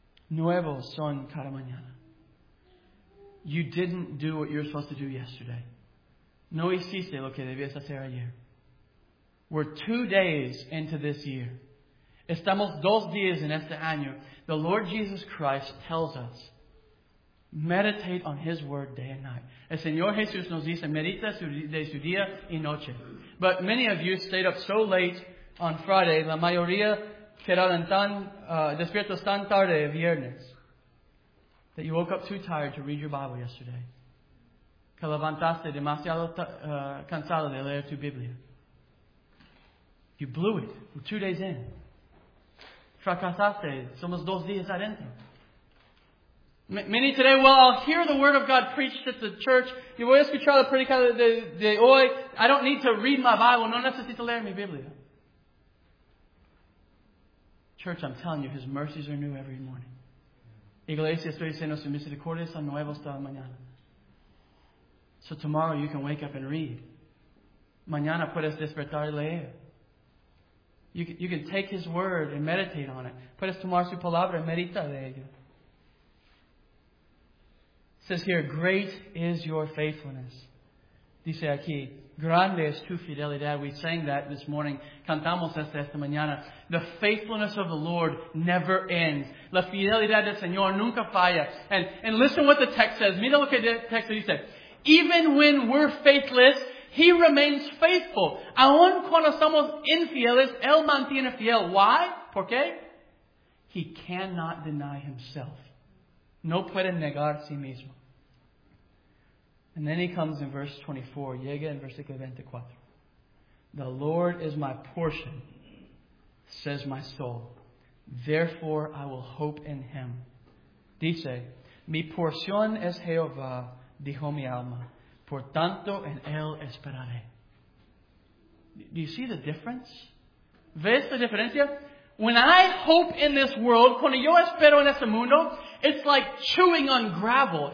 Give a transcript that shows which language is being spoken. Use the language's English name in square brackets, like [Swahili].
[Spanish] Nuevos son cada mañana. [English] You didn't do what you were supposed to do yesterday. [Spanish] No hiciste lo que debías hacer ayer. [English] We're 2 days into this year. [Spanish] Estamos 2 días en este año. [English] The Lord Jesus Christ tells us, meditate on His word day and night. [Spanish] El Señor Jesús nos dice, medita de su día y noche. [English] But many of you stayed up so late on Friday, [Spanish] la mayoría quedaron tan despiertos tan tarde el viernes, [English] that you woke up too tired to read your Bible yesterday. [Spanish] Que levantaste demasiado cansado de leer tu Biblia. [English] You blew it. We're 2 days in. [Spanish] Fracasaste. Somos 2 días adentro. [English] Many today, well, I'll hear the Word of God preached at the church. [Spanish] Yo voy a escuchar la predica de hoy. [English] I don't need to read my Bible. [Spanish] No necesito leer mi Biblia. [English] Church, I'm telling you, His mercies are new every morning. [Spanish] Iglesia, estoy diciendo, su misericordia son nuevos toda mañana. [English] So tomorrow you can wake up and read. [Spanish] Mañana puedes despertar y leer. [English] You can take His Word and meditate on it. [Spanish] Puedes tomar su palabra y medita de ella. [English] It says here, great is your faithfulness. [Spanish] Dice aquí, grande es tu fidelidad. [English] We sang that this morning. [Spanish] Cantamos esta mañana. [English] The faithfulness of the Lord never ends. [Spanish] La fidelidad del Señor nunca falla. [English] And listen what the text says. [Spanish] Mira lo que el texto dice. [English] Even when we're faithless, He remains faithful. [Spanish] Aun cuando somos infieles, Él mantiene fiel. [English] Why? [Spanish] ¿Por qué? [English] He cannot deny Himself. [Spanish] No puede negar sí mismo. [English] And then he comes in verse 24. [Spanish] Llega en versículo 24. [English] The Lord is my portion, says my soul. Therefore, I will hope in Him. [Spanish] Dice, mi porción es Jehová, dijo mi alma. Por tanto, en Él esperaré. [English] Do you see the difference? [Spanish] ¿Ves la diferencia? [English] When I hope in this world, [Spanish] cuando yo espero en este mundo, [English] it's like chewing on gravel.